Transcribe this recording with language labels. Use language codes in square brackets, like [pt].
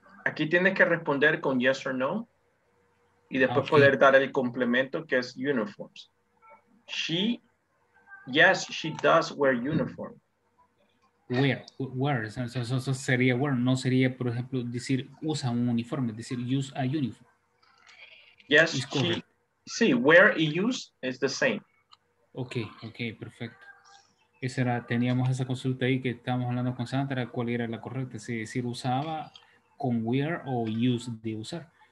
[es] Aquí tienes que responder con [en] yes or no. [es] Y después poder dar el complemento que es uniforms. [en] Yes, she does wear uniform. [es] Wears. Eso sería wear. No sería, por ejemplo, decir usa un uniforme. Es decir, [en] use a uniform. Yes, sí, wear y use is the same. [es] Ok, perfecto. Teníamos esa consulta ahí que estábamos hablando con Sandra, cuál era la correcta, si decir usaba con wear o use de usar.